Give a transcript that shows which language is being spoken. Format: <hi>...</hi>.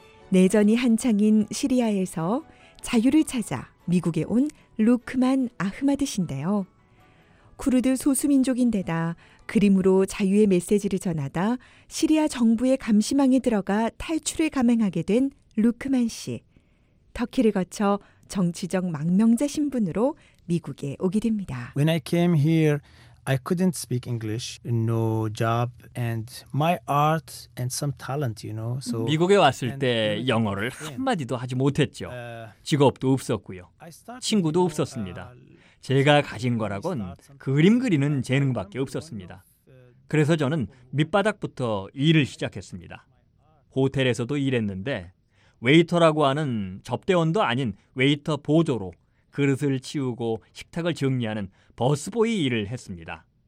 <ko>내전이 한창인 시리아에서 자유를 찾아 미국에 온 루크만 아흐마드신데요. 쿠르드 소수민족인데다 그림으로 자유의 메시지를 전하다 시리아 정부의 감시망에 들어가 탈출을 감행하게 된 루크만 씨. 터키를 거쳐 정치적 망명자 신분으로 미국에 오게 됩니다.</ko> <en>When I came here, I couldn't speak English, no job, and my art and some talent, you know.</en> <ko>So 미국에 왔을 때 영어를 한마디도 하지 못했죠. 직업도 없었고요. 친구도 없었습니다. 제가 가진 거라곤 그림 그리는 재능밖에 없었습니다. 그래서 저는 밑바닥부터 일을 시작했습니다. 호텔에서도 일했는데 웨이터라고 하는 접대원도 아닌 웨이터 보조로 그릇을 치우고 식탁을 정리하는 버스보이 일을 했습니다.</ko>